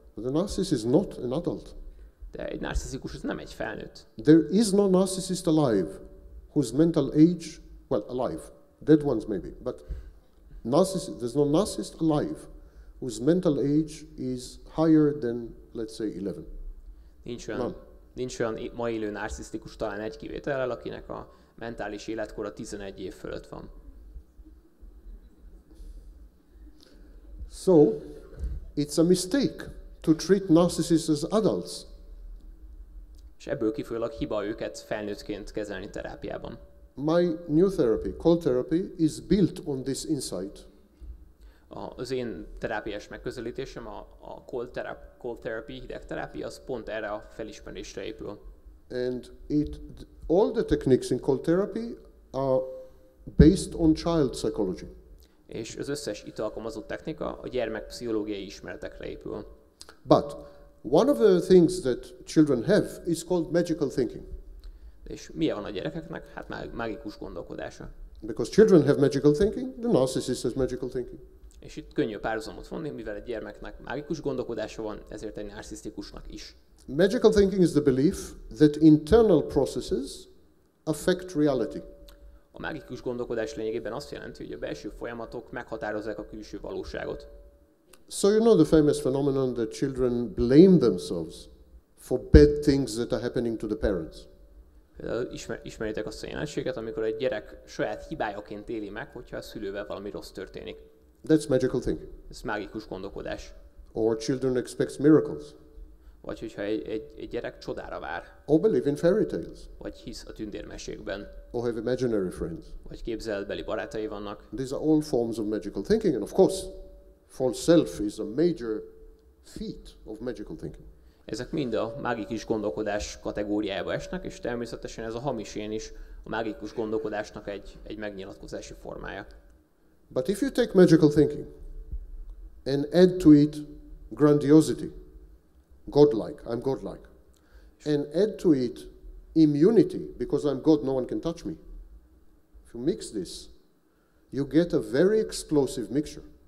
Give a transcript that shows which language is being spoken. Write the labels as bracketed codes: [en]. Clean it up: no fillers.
[en] But the narcissist is not an adult. [hu] De egy narcisztikus az nem egy felnőtt. [en] There is no narcissist alive whose mental age, well, alive, dead ones maybe, but narcissist, there's no narcissist alive whose mental age is higher than, let's say, 11. [hu] Nincs olyan ma élő narcisztikus, talán egy kivétellel, akinek a mentális életkora 11 év fölött van. [en] So, it's a mistake to treat narcissists as adults. [hu] És ebből kifolyólag hiba őket felnőttként kezelni terápiában. [en] My new therapy, cold therapy, is built on this insight. [hu] Az én terápiás megközelítésem, a cold therapy, hideg terápia, az pont erre a felismerésre épül. [en] And all the techniques in cold therapy are based on child psychology. [hu] És az összes itt alkalmazott technika a gyermekpszichológiai ismeretekre épül. [en] But one of the things that children have is called magical thinking. [hu] És mi van a gyerekeknek? Hát mágikus gondolkodása. [en] Because children have magical thinking, the narcissist has magical thinking. [hu] És itt könnyű párhuzamot vonni, mivel egy gyermeknek mágikus gondolkodása van, ezért egy narcisztikusnak is. [en] Magical thinking is the belief that internal processes affect reality. [hu] A mágikus gondolkodás lényegében azt jelenti, hogy a belső folyamatok meghatározzák a külső valóságot. [en] So you know the famous phenomenon that children blame themselves for bad things that are happening to the parents. [hu] Ismeritek azt a jelenséget, amikor egy gyerek saját hibájaként éli meg, hogyha a szülővel valami rossz történik. [en] That's magical thinking. [hu] Ez mágikus gondolkodás. [en] Or children expect miracles. [hu] Vagy hogyha egy gyerek csodára vár. [en] Or believe in fairy tales. [hu] Vagy hisz a tündérmesékben. [en] Or have imaginary friends. [hu] Vagy képzeltbeli barátai vannak. [en] These are all forms of magical thinking, and of course, false self is a major feat of magical thinking. [hu] Ezek mind a mágikus gondolkodás kategóriájába esnek, és természetesen ez a hamis én is a mágikus gondolkodásnak egy megnyilatkozási formája. [en] But if you take magical thinking and add to it grandiosity, godlike, I'm godlike, and add to it immunity, because I'm God, no one can touch me. If you mix this, you get a very explosive mixture.